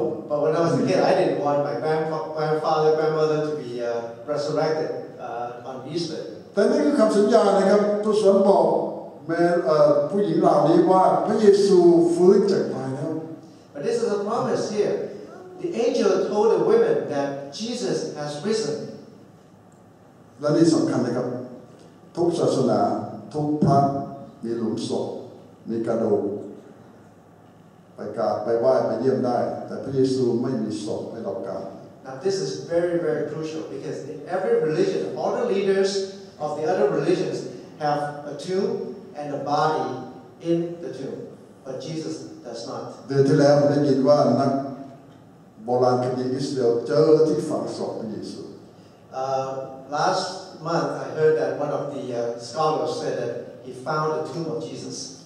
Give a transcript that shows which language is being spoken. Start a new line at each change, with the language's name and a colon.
English: But when I was a kid, I didn't want my grandfather, grandmother to be resurrected on Easter.
Thai: แต่นี่คือคำสัญญานะครับทุกสมบูรณ์แม่ผู้หญิงเหล่านี้ว่าพระเยซูฟื้นจากตายแล้ว
English: But this is a promise here. The angel told the women that Jesus has risen.
Thai: และนี่สำคัญนะครับทุกศาสนาทุกพระมีหลุมศพมีกระดูกไปกราบไปไหว้ไปเยี่ยมได้แต่พระเยซูไม่มีศพให้เรากราบ
English: Now this is very very crucial because in every religion all the leaders of the other religions have a tomb and a body in the tomb but Jesus does not
Thai: เดือนที่แล้วได้ยินว่านักโบราณคดีอิสราเอลเจอที่ฝังศพพระเยซู
English: Last month I heard that one of the scholars said that he found the tomb of Jesus.